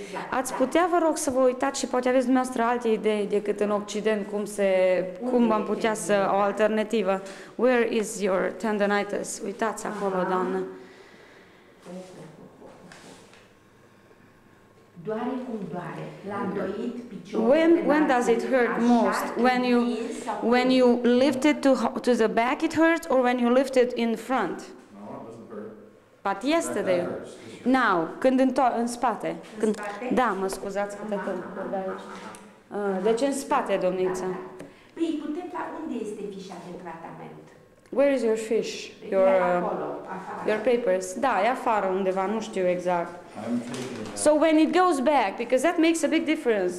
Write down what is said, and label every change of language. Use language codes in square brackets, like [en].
[ro] Ați putea, vă rog, să vă uitați și poate aveți dumneavoastră alte idei decât în Occident, cum am putea să, o alternativă. [en] Where is your tendinitis? [ro] Uitați acolo, doamnă. Doare cum doare, l-a îndoit piciorul. [en] When does it hurt most? When you lift it to the back it hurts or when you lift it in front? No, it doesn't hurt. But yesterday. Now, [ro] când în spate. Când, da, mă scuzați că tot aici. Deci în spate, domniță. Păi, putem unde este fișa de tratament? [en] Where is your fish? Your your papers. [ro] Da, e afară undeva, nu știu exact. [en] So when it goes back, because that makes a big difference.